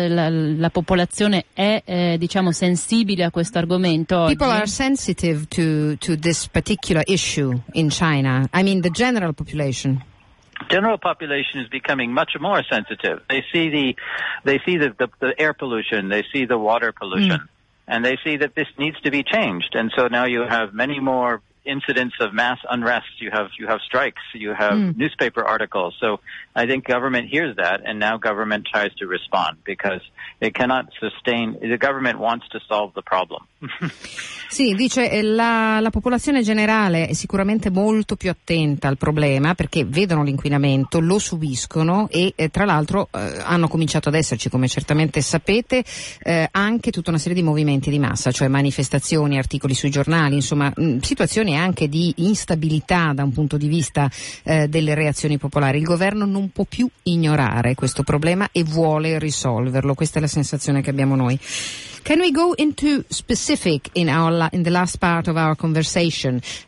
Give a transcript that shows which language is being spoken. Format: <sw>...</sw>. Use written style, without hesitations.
<it>La popolazione è diciamo sensibile a questo argomento.</it> <en>People are sensitive to this particular issue in China. I mean the general population. General population is becoming much more sensitive. They see the air pollution, they see the water pollution, and they see that this needs to be changed. And so now you have many more incidents of mass unrest. You have strikes, you have newspaper articles. So I think government hears that, and now government tries to respond because it cannot sustain. The government wants to solve the problem.</en> <it>Sì, dice la popolazione generale è sicuramente molto più attenta al problema perché vedono l'inquinamento, lo subiscono e tra l'altro hanno cominciato ad esserci, come certamente sapete, anche tutta una serie di movimenti di massa, cioè manifestazioni, articoli sui giornali, insomma situazioni anche di instabilità da un punto di vista delle reazioni popolari. Il governo non può più ignorare questo problema e vuole risolverlo, questa è la sensazione che abbiamo noi.</it> <en>Can we go into specific in the last part of our conversation?</en>